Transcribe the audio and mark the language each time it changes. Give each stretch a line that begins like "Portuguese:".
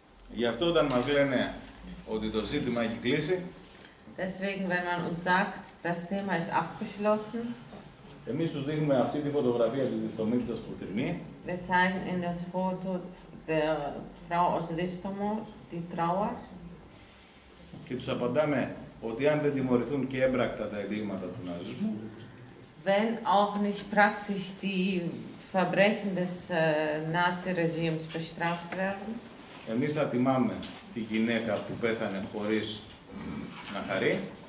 Greek: Γι' αυτό όταν μας λένε ότι το ζήτημα έχει κλείσει.
German: Deswegen, wenn man uns sagt, das Thema ist abgeschlossen.
Greek: Εμείς τους δείχνουμε αυτή τη φωτογραφία της Διστομήτσας που θρυμεί.
German: Wir zeigen in das Foto der Frau aus Distomo, die trauert.
Greek: Και τους απαντάμε ότι αν δεν τιμωρηθούν και έμπρακτα τα εγκλήματα του ναζισμού.
German: Wenn auch nicht praktisch die Verbrechen des Nazi-Regimes bestraft werden.
Greek: Εμείς θα τιμάμε τη γυναίκα που πέθανε χωρίς να χαρεί.